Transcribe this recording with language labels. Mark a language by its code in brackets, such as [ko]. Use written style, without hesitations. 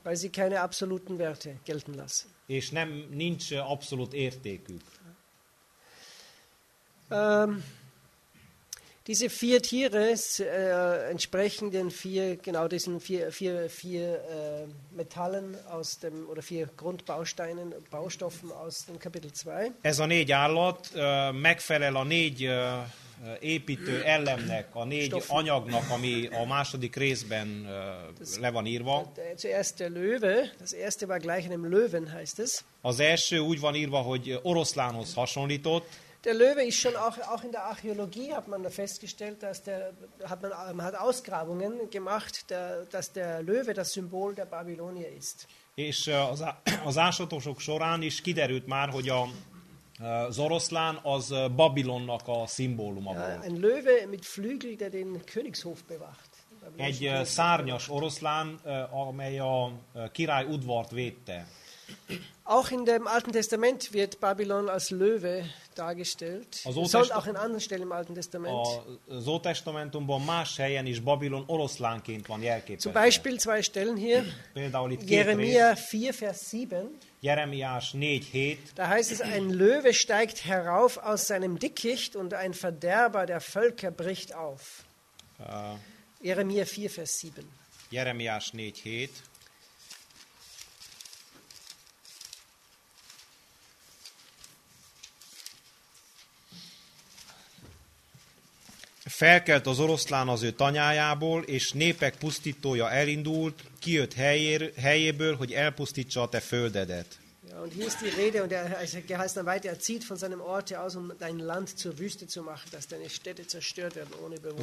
[de] Weil sie keine absoluten Werte gelten lassen. [hu] És nem nincs abszolút értékük. [de] Diese vier Tiere entsprechen den vier, genau diesen vier Metallen aus dem, oder vier Grundbausteinen, Baustoffen aus dem Kapitel 2. [hu] Ez a négy állat megfelel a négy építő elemnek, a négy Stoffen. Anyagnak, ami a második részben le van írva. [de] Zuerst der Löwe, das erste war gleich einem Löwen, heißt es. [hu] Az első úgy van írva, hogy oroszlánhoz hasonlított. [de] Der Löwe ist schon auch in der Archäologie hat man da festgestellt, dass der hat Ausgrabungen gemacht, dass der Löwe das Symbol der Babylonier ist. [hu] És az ásatósok során is kiderült már, hogy az oroszlán az Babilonnak a szimbóluma volt. [de] Ein Löwe mit Flügel, der den Königshof bewacht. [hu] Egy szárnyas oroszlán, amely a király udvart védte. [de] Auch in dem Alten Testament wird Babylon als Löwe dargestellt. Sondern auch in anderen Stellen im Alten Testament. [hu] Az Ótestamentumban más helyen is Babylon oroszlánként van jelképezve. [de] Zum Beispiel zwei Stellen hier. [hu] Például itt [de] Jeremia 4, Vers 7. [hu] Jeremias 4:7. [de] Da heißt es: ein Löwe steigt herauf aus seinem Dickicht und ein Verderber der Völker bricht auf. Jeremia 4, Vers 7. [hu] Jeremias 4:7. Felkelt az oroszlán az ő tanyájából, és népek pusztítója elindult, kijött helyéből, hogy elpusztítsa a te földedet. [de] Ja, und hier ist die Rede, und geheißen dann weiter, zieht von seinem Orte aus, um dein Land zur Wüste zu machen, dass deine Städte zerstört werden ohne Bewohner.